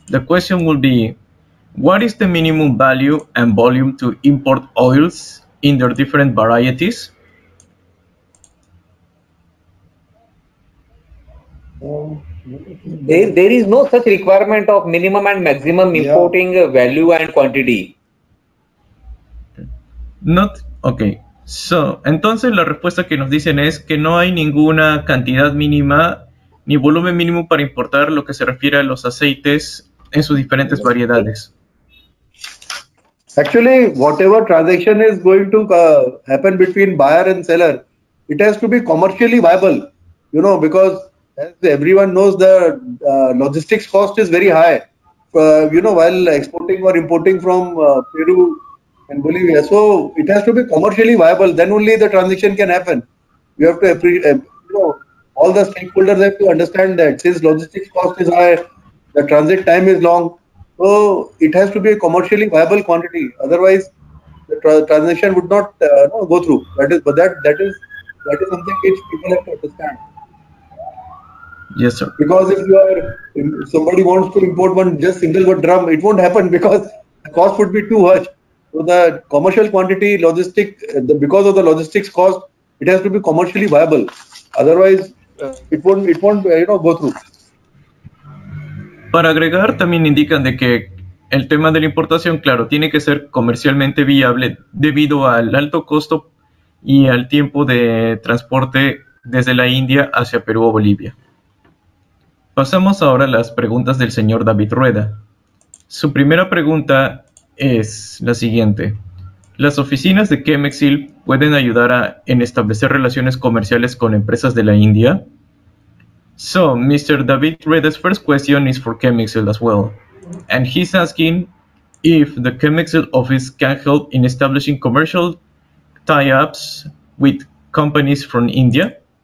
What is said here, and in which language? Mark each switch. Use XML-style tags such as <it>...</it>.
<en>The question will be, what is the minimum value and volume to import oils in their different varieties? There is no such requirement of minimum and maximum importing value and quantity. Not okay.</en> <es>So, entonces la respuesta que nos dicen es que no hay ninguna cantidad mínima ni volumen mínimo para importar lo que se refiere a los aceites en sus diferentes variedades.</es> <en>Actually, whatever transaction is going to happen between buyer and seller, it has to be commercially viable, you know, because as everyone knows, the logistics cost is very high, you know, while exporting or importing from Peru and Bolivia. So it has to be commercially viable. Then only the transaction can happen. You have to, you know, all the stakeholders have to understand that since logistics cost is high, the transit time is long. So it has to be a commercially viable quantity. Otherwise, the transaction would not go through. That is something which people have to understand. Yes, sir. Because if somebody wants to import one just single drum, it won't happen because the cost would be too much. So the commercial quantity, because of the logistics cost, it has to be commercially viable. Otherwise, it won't go through.</en> <es>Para agregar, también indican de que el tema de la importación, claro, tiene que ser comercialmente viable debido al alto costo y al tiempo de transporte desde la India hacia Perú o Bolivia. Pasamos ahora a las preguntas del señor David Rueda. Su primera pregunta es la siguiente. ¿Las oficinas de Chemexil pueden ayudar en establecer relaciones comerciales con empresas de la India?</es> <en>So, Mr. David Rueda's first question is for Chemexil as well. And he's asking if the Chemexil office can help in establishing commercial tie-ups with companies from India.</en>